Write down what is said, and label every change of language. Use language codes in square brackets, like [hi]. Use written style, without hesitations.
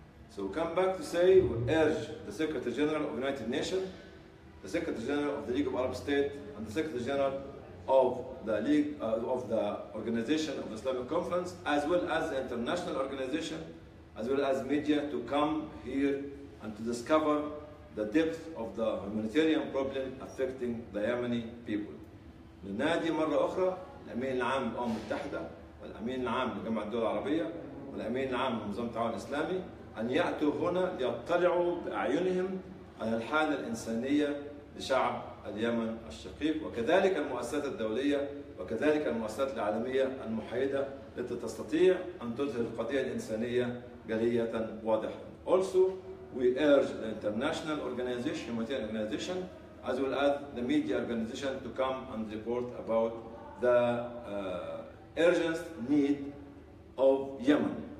[en] So we come back to say, we urge the Secretary General of the United Nations, the Secretary General of the League of Arab States, and the Secretary General of the League of the Organization of the Islamic Conference, as well as the international organization, as well as media, to come here and to discover the depth of the humanitarian problem affecting the Yemeni people. [ar] ننادي مرة أخرى الأمين العام للأمم المتحدة والأمين العام لجامعة الدول العربية والأمين العام لمنظمة التعاون الإسلامي أن يأتوا هنا ليطلعوا بأعينهم على الحالة الإنسانية لشعب اليمن الشقيق وكذلك المؤسسات الدولية وكذلك المؤسسات العالمية المحايدة التي تستطيع أن تظهر القضية الإنسانية جلية واضحة. [en] Also, we urge the international organization, humanitarian organization, as well as the media organization to come and report about the urgent need of Yemen.